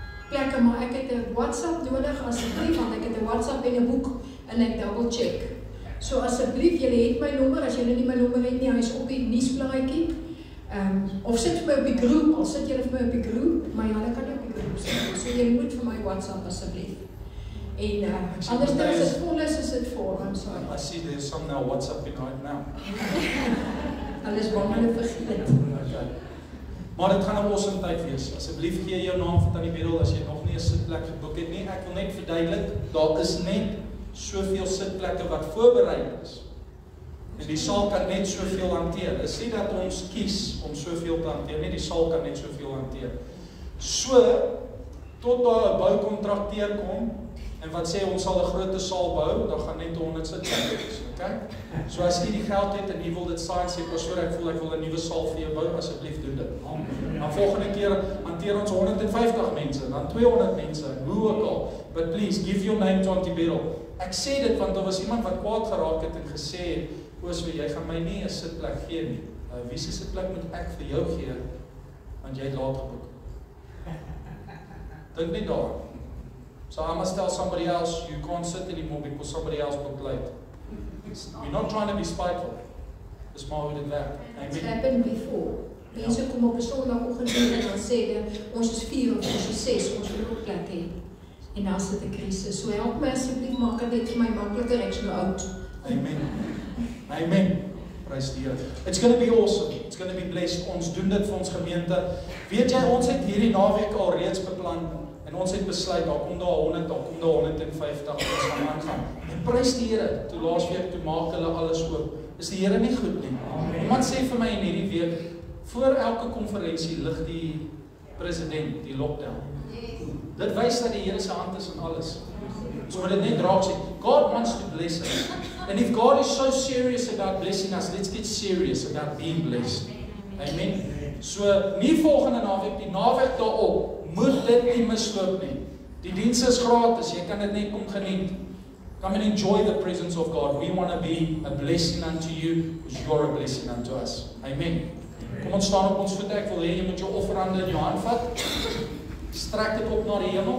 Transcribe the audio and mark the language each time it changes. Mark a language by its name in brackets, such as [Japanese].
[Afrikaans] Plekke, maar ek het 'n WhatsApp nodig, asseblief, want ek het 'n WhatsApp en 'n boek, en ek double check. So asseblief, jy het my nommer, as jy nie my nommer het nie, hy is op die nuusblaadjie. Of sit vir my op die groep, al sit jy vir my op die groep, maar jy kan nie op die groep sit. So jy moet vir my WhatsApp, asseblief. En anders dan as het vol is het vol, [English] I'm sorry. I see there's some now WhatsApp in right now. [Afrikaans] Hulle is bang hulle vergeet. Maar dit gaan 'n awesome tyd wees. Asseblief gee jou naam vir Tannie Merel as jy nog nie 'n sitplek geboek het nie. Ek wil net verduidelik, daar is net soveel sitplekke wat voorberei is. En die saal kan net soveel hanteer. Is nie dat ons kies om soveel te hanteer nie, die saal kan net soveel hanteer. So tot daar 'n boukontrakteur kom en wat sê ons sal 'n groot saal bou, dan gaan net 100 sitplekke wees, okay? So as jy die geld het en jy wil dit saai, sê pastoor, ek voel ek wil 'n nuwe saal vir jou bou, asseblief doen dit. Amen. Dan volgende keer hanteer ons 150 mense, dan 200 mense, hoe ook al. [English] But please give your name to Auntie Beryl. [Afrikaans] Ek sê dit want daar was iemand wat kwaad geraak het en gesê het, "Oosme, jy gaan my nie 'n sitplek gee nie. Wie se sitplek moet ek vir jou gee want jy het laat geboek." Dink net daar. [English] So I must tell somebody else, you can't sit anymore because somebody else booked late. We're not trying to be spiteful. It's more than that. It's happened before. [Afrikaans] Mense kom op 'n Sondagoggend en dan sê hulle, ons is 4 of ons is 6, ons wil ook plek hê. En dan sit 'n krisis. So help my asseblief, maak dit vir my makliker, ek's nou oud. Amen. Amen. Prys die Here. [English] It's going to be awesome. It's going to be blessed. [Afrikaans] Ons doen dit vir ons gemeente. Weet jy, ons het hierdie naweek al reeds beplan. En ons het besluit, daar kom daar 100, daar kom daar 150, en ons gaan aangaan. En prys die Here, toe laas week, toe maak hulle alles oop. Is die Here nie goed nie? Iemand sê vir my in hierdie week, voor elke konferensie lig die president die lockdown. Dit wys dat die Here se hand is in alles. Ons moet dit net raak sê, [English] God wants to bless us. And if God is so serious about blessing us, let's get serious about being blessed. [Afrikaans] Amen. So, nie volgende naweek, die naweek daarop, moet dit nie misloop nie. Die diens is gratis, jy kan dit net kom geniet. [English] Come and enjoy the presence of God. We want to be a blessing unto you, because you are a blessing unto us. Amen. [Afrikaans] Kom ons staan op ons voete, ek wil hê jy moet jou offerande in jou hand vat. Strek dit op na die hemel.